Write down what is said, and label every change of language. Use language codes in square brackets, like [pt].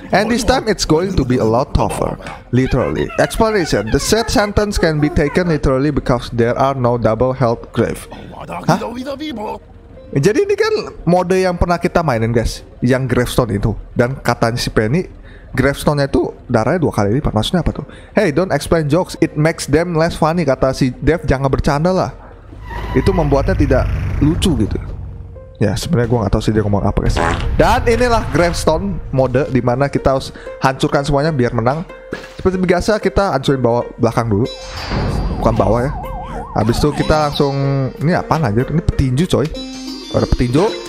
[en] And this time it's going to be a lot tougher. Literally. Exploration. The said sentence can be taken literally because there are no double health grave. Hah? [id] Jadi ini kan mode yang pernah kita mainin guys, yang gravestone itu. Dan katanya si Penny, gravestone-nya itu darahnya 2 kali lipat. Maksudnya apa tuh? [en] Hey, don't explain jokes, it makes them less funny. [id] Kata si Dev, jangan bercanda lah. Itu membuatnya tidak lucu gitu. Ya, sebenarnya gue gak tahu sih dia ngomong apa guys. Dan inilah gravestone mode dimana kita harus hancurkan semuanya biar menang. Seperti biasa, kita hancurin bawah belakang dulu. Bukan bawah ya. Habis itu kita langsung, ini apaan anjir? Ini petinju coy. Ada petinju.